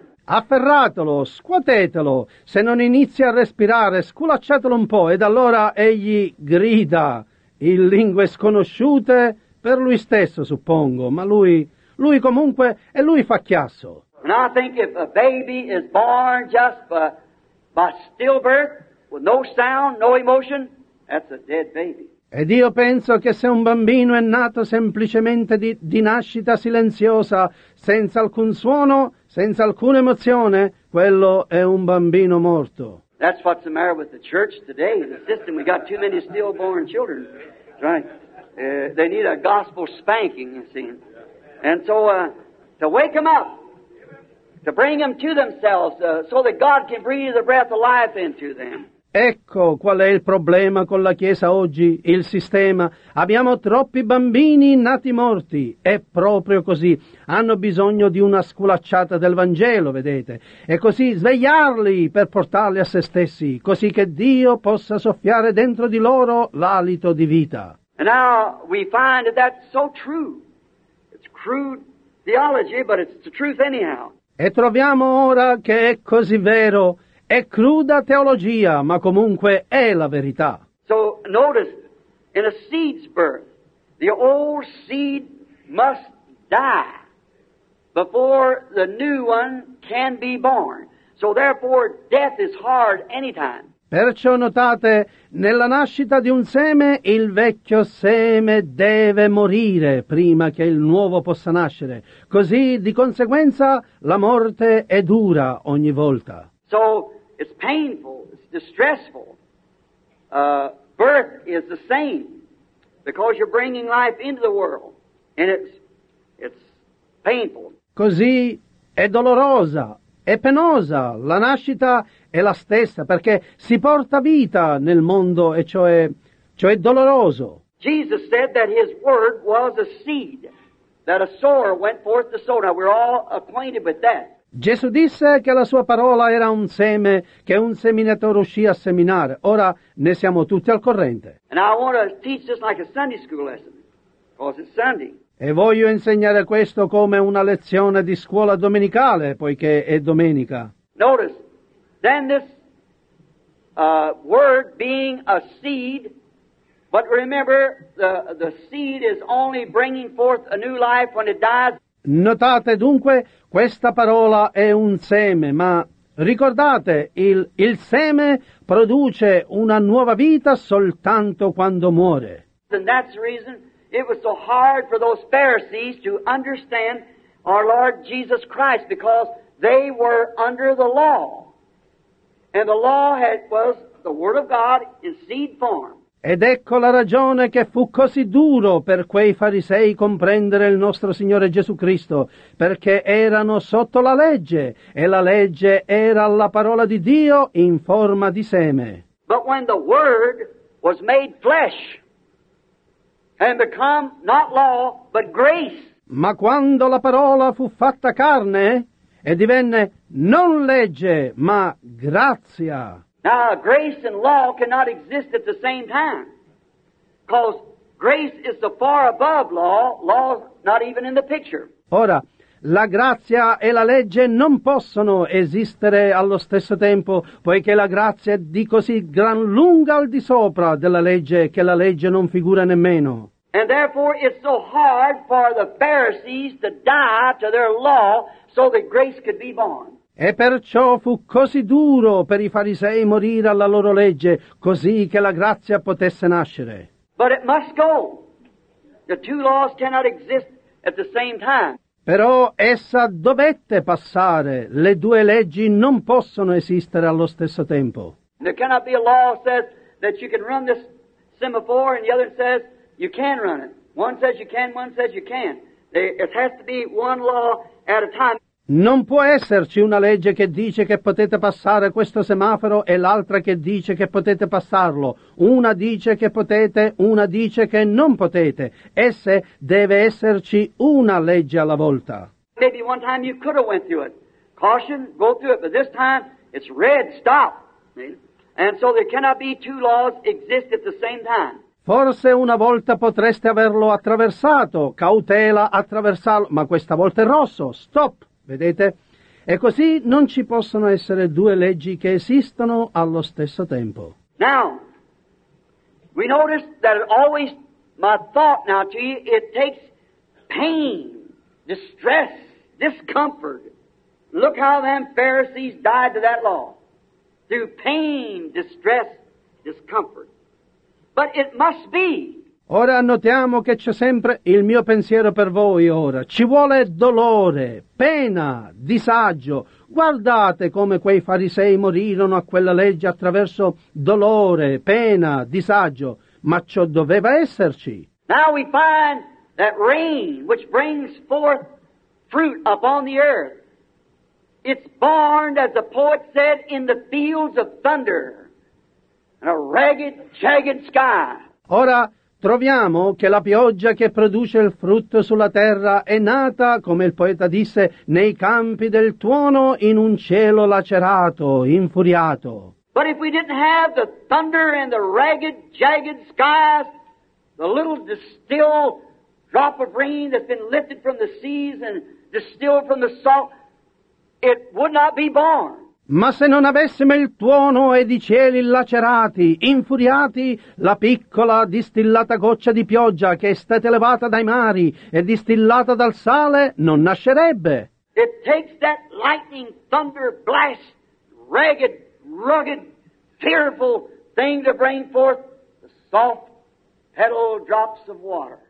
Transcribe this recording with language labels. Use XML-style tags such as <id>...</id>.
<it>Afferratelo, scuotetelo, se non inizia a respirare, sculacciatelo un po', ed allora egli grida in lingue sconosciute per lui stesso, suppongo, ma lui comunque, e lui fa chiasso.</it> <en>And I think if a baby is born just by stillbirth, with no sound, no emotion, that's a dead baby.</en> <it>Ed io penso che se un bambino è nato semplicemente di nascita silenziosa, senza alcun suono, senza alcuna emozione, quello è un bambino morto.</it> <en>That's what's the matter with the church today, the system. We got too many stillborn children, right? They need a gospel spanking, you see. And so to wake them up, to bring them to themselves, so that God can breathe the breath of life into them.</en> <it>Ecco qual è il problema con la Chiesa oggi, il sistema. Abbiamo troppi bambini nati morti, è proprio così. Hanno bisogno di una sculacciata del Vangelo, vedete? E così svegliarli per portarli a se stessi, così che Dio possa soffiare dentro di loro l'alito di vita.</it> <en>And now we find that that's so true. It's crude theology, but it's the truth anyhow.</en> <it>E troviamo ora che è così vero. È cruda teologia, ma comunque è la verità.</it> <en>So notice, in a seed's birth, the old seed must die before the new one can be born. So therefore, death is hard anytime.</en> <it>Perciò notate, nella nascita di un seme, il vecchio seme deve morire prima che il nuovo possa nascere. Così, di conseguenza, la morte è dura ogni volta.</it> <en>So it's painful, it's distressful. Birth is the same, because you're bringing life into the world, and it's painful.</en> <it>Così è dolorosa, è penosa, la nascita è la stessa, perché si porta vita nel mondo, e cioè doloroso.</it> <en>Jesus said that his word was a seed, that a sower went forth to sow. Now we're all acquainted with that.</en> <it>Gesù disse che la sua parola era un seme che un seminatore uscì a seminare. Ora ne siamo tutti al corrente.</it> <en>And I want to teach this like a Sunday school lesson, because it's Sunday.</en> <it>E voglio insegnare questo come una lezione di scuola domenicale, poiché è domenica.</it> <en>Notice, then this word being a seed, but remember the seed is only bringing forth a new life when it dies.</en> <it>Notate dunque, questa parola è un seme, ma ricordate, il seme produce una nuova vita soltanto quando muore.</it> <en>And that's the reason it was so hard for those Pharisees to understand our Lord Jesus Christ, because they were under the law. And the law was the Word of God in seed form.</en> <it>Ed ecco la ragione che fu così duro per quei farisei comprendere il nostro Signore Gesù Cristo, perché erano sotto la legge, e la legge era la parola di Dio in forma di seme.</it> <en>But when the Word was made flesh and become not law, but grace.</en> <it>Ma quando la parola fu fatta carne e divenne non legge, ma grazia.</it> <en>Now, grace and law cannot exist at the same time, because grace is so far above law, law's not even in the picture.</en> <it>Ora, La grazia e la legge non possono esistere allo stesso tempo, poiché la grazia è di così gran lunga al di sopra della legge che la legge non figura nemmeno.</it> <en>And therefore it's so hard for the Pharisees to die to their law so that grace could be born.</en> <it>E perciò fu così duro per i farisei morire alla loro legge, così che la grazia potesse nascere.</it> <en>But it must go. The two laws cannot exist at the same time.</en> <it>Però essa dovette passare. Le due leggi non possono esistere allo stesso tempo.</it> <en>There cannot be a law that says that you can run this semaphore and the other says you can run it. One says you can, one says you can't. It has to be one law at a time.</en> <it>Non può esserci una legge che dice che potete passare questo semaforo e l'altra che dice che potete passarlo. Una dice che potete, una dice che non potete. Esse deve esserci una legge alla volta.</it> <en>Maybe one time you could have went through it. Caution, go through it, but this time it's red, stop. And so there cannot be two laws exist at the same time.</en> <it>Forse una volta potreste averlo attraversato, cautela attraversarlo, ma questa volta è rosso, stop. Vedete? E così non ci possono essere due leggi che esistono allo stesso tempo.</it> <en>Now, we notice that always my thought now to you, it takes pain, distress, discomfort. Look how them Pharisees died to that law. Through pain, distress, discomfort. But it must be.</en> <it>Ora notiamo che c'è sempre il mio pensiero per voi ora. Ci vuole dolore, pena, disagio. Guardate come quei farisei morirono a quella legge attraverso dolore, pena, disagio. Ma ciò doveva esserci.</it> <en>Now we find that rain which brings forth fruit upon the earth. It's born, as the poet said, in the fields of thunder. In a ragged, jagged sky.</en> <it>Ora troviamo che la pioggia che produce il frutto sulla terra è nata, come il poeta disse, nei campi del tuono, in un cielo lacerato, infuriato.</it> <en>But if we didn't have the thunder and the ragged, jagged skies, the little distilled drop of rain that's been lifted from the seas and distilled from the salt, it would not be born.</en> <it>Ma se non avessimo il tuono ed i cieli lacerati, infuriati, la piccola distillata goccia di pioggia che è stata elevata dai mari e distillata dal sale non nascerebbe.</it> <en>It takes that lightning, thunder, blast, ragged, rugged, fearful thing to bring forth the soft petal drops of water.</en>